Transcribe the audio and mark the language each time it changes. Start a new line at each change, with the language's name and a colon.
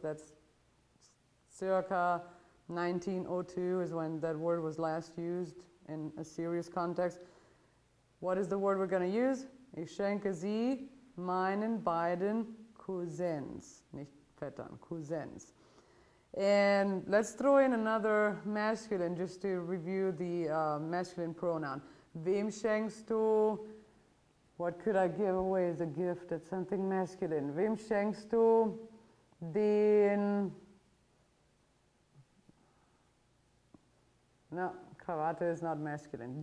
English: That's circa 1902 is when that word was last used in a serious context. What is the word we're going to use?
German: Ich schenke sie meinen beiden Cousins, nicht Vettern, Cousins.
English: And let's throw in another masculine just to review the masculine pronoun.
German: Wem schenkst du,
English: what could I give away as a gift? It's something masculine.
German: Wem schenkst du den,
English: no, Krawatte is not masculine.